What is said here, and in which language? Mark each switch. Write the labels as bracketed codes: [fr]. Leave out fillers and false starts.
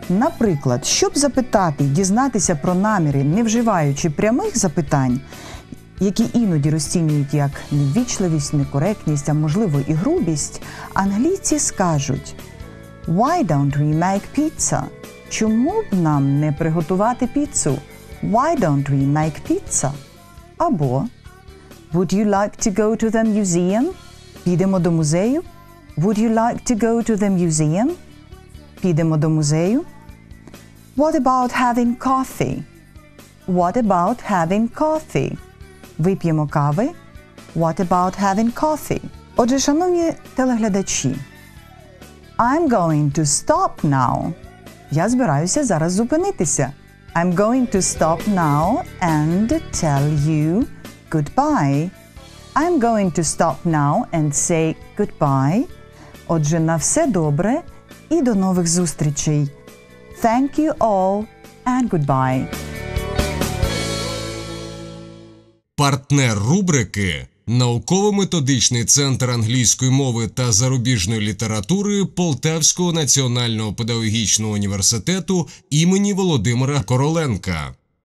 [uk] Наприклад, щоб запитати, дізнатися про наміри, не вживаючи прямих запитань, які іноді розцінюють як невічливість, некоректність, а можливо і грубість, англійці скажуть [en] «Why don't we make pizza?» [uk] «Чому б нам не приготувати піцу?» [en] Why don't we make pizza? [uk] Або [en] Would you like to go to the museum? [uk] Підемо до музею? [en] Would you like to go to the museum? [uk] Підемо до музею? [en] What about having coffee? What about having coffee? [uk] Вип'ємо кави? [en] What about having coffee? [uk] Отже, шановні телеглядачі, [en] I'm going to stop now. [uk] Я збираюся зараз зупинитися. [en] I'm going to stop now and tell you goodbye. I'm going to stop now and say goodbye. [uk] Отже, на все добре і до нових зустрічей. [en] Thank you all and goodbye. [uk] Партнер рубрики – Науково-методичний центр англійської мови та зарубіжної літератури Полтавського національного педагогічного університету імені Володимира Короленка.